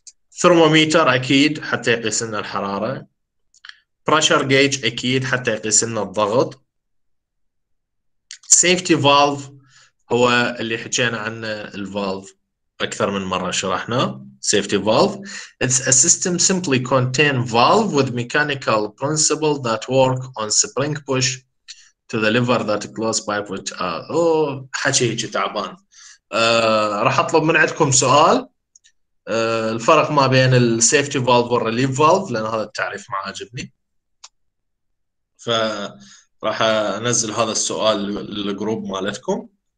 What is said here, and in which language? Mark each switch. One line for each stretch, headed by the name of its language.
Arabic: ثرموميتر أكيد حتى يقيس لنا الحرارة. بريشر جيج أكيد حتى يقيس لنا الضغط. سيفتي فالف هو اللي حكينا عنه الفالف أكثر من مرة شرحنا. سيفتي فالف
English: it's a system simply contain valve with mechanical principle that work on spring push to the lever that close pipe which
Arabic: حكي تعبان. راح أطلب من عندكم سؤال الفرق ما بين السيفتي فالف والريليف فالف، لأن هذا التعريف ما عاجبني، فراح أنزل هذا السؤال للجروب مالتكم.